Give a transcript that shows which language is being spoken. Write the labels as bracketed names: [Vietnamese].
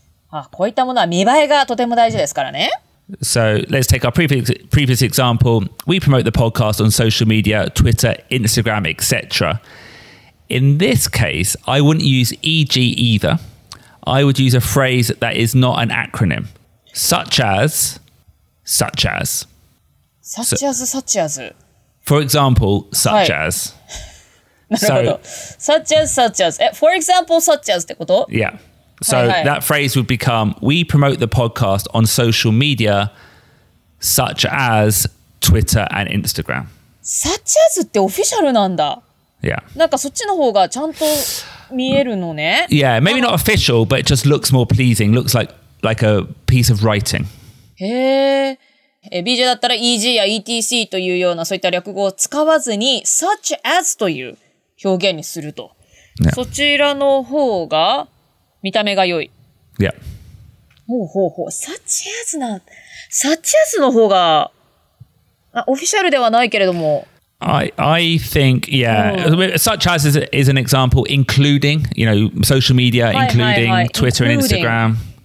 [Japanese] あ、こういったものは見栄えがとても大事ですからね。 [English] So, let's take our previous example. We promote the podcast on social media, Twitter, Instagram, etc. In this case, I wouldn't use EG either. I would use a phrase that is not an acronym, such as... Such as. Such as, such as. For example, such、はい、as. So, such as, such as. For example, such as [Japanese] ってこと? [English] Yeah. So、はいはい、that phrase would become, we promote the podcast on social media, such as Twitter and Instagram. [Japanese] Such as ってオフィシャルなんだ。 [English] Yeah. [Japanese] なんかそっちの方がちゃんと見えるのね。 [English] Yeah, maybe not official, but it just looks more pleasing. Looks like a piece of writing. [Japanese] へえ、BJ だったら EG や ETC というようなそういった略語を使わずに such as という表現にすると、 [English] yeah. [Japanese] そちらの方が見た目が良い。 [English] Yeah. [Japanese] ほうほうほう、サッチアーズな、サッチアーズの方が、あ、オフィシャルではないけれども。 [English] I think, yeah,、oh. such as is an example, including, you know, social media, including Twitter and Instagram.